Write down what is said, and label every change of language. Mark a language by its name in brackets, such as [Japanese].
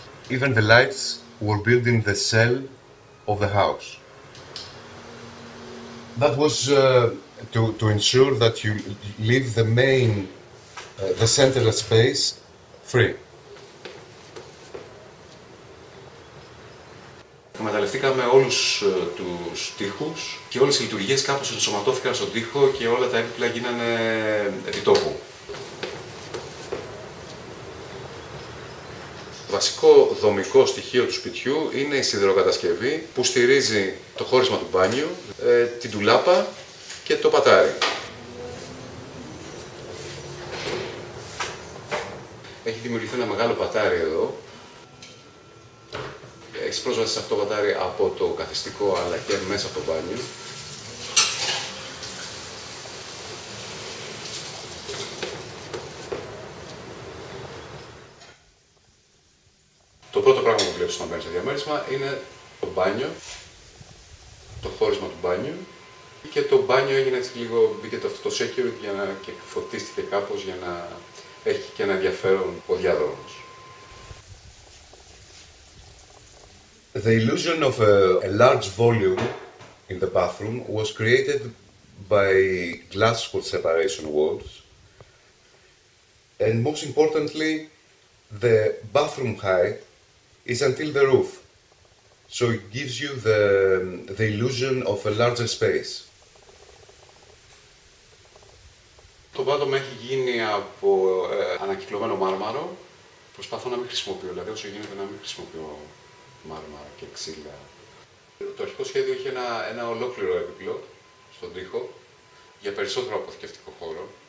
[English] Even the lights were built in the cell of the house. That was to ensure that you leave the main, the center space free. [Greek] Εκμεταλλευτήκαμε όλους τους τοίχους και όλες οι λειτουργίες κάπως ενσωματώθηκαν στον τοίχο και όλα τα έπιπλα γίνανε επί τόπου. Το βασικό δομικό στοιχείο του σπιτιού είναι η σιδηροκατασκευή που στηρίζει το χώρισμα του μπάνιου, την ντουλάπα και το πατάρι. Έχει δημιουργηθεί ένα μεγάλο πατάρι εδώ. Έχεις πρόσβαση σε αυτό το πατάρι από το καθιστικό αλλά και μέσα από το μπάνιο. Το πρώτο πράγμα που βλέπεις όταν μπαίνεις σε διαμέρισμα είναι το μπάνιο, το χώρισμα του μπάνιου και το μπάνιο έγινε έτσι λίγο, μπήκε το αυτό το security για να και φωτίστηκε κάπως για να έχει και ένα ενδιαφέρον ο διάδρομος. [English] The illusion of a large volume in the bathroom was created by glass with separation walls. And most importantly, the bathroom height is until the roof. So it gives you the illusion of a larger space. [Greek] Το πάτωμα έχει γίνει από ανακυκλωμένο μάρμαρο. Προσπαθώ να μην χρησιμοποιώ, δηλαδή όσο γίνεται να μην χρησιμοποιώ μάρμαρα και ξύλα. Το αρχικό σχέδιο είχε ένα ολόκληρο έπιπλο στον τοίχο για περισσότερο αποθηκευτικό χώρο.